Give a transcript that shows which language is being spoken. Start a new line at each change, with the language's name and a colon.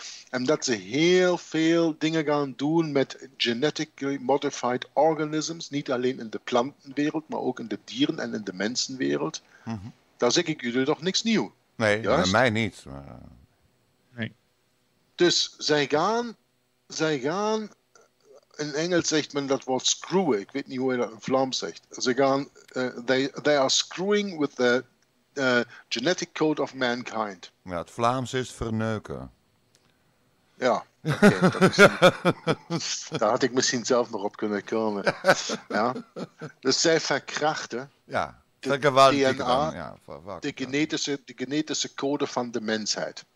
Dutch: En dat ze heel veel dingen gaan doen met
English: genetically modified organisms,
Dutch: niet alleen in de plantenwereld, maar ook in de dieren en in de mensenwereld. Mm-hmm. Daar zeg ik jullie toch niks nieuw. Nee, bij mij niet. Maar... Dus zij gaan, in Engels zegt men dat woord screwen, ik weet niet hoe je dat in Vlaams zegt. Zij gaan,
English: they are screwing with the genetic code of mankind.
Dutch: Ja, het Vlaams is verneuken. Ja, okay, daar had ik misschien zelf nog op kunnen komen. Ja. Dus zij verkrachten de genetische code van de mensheid.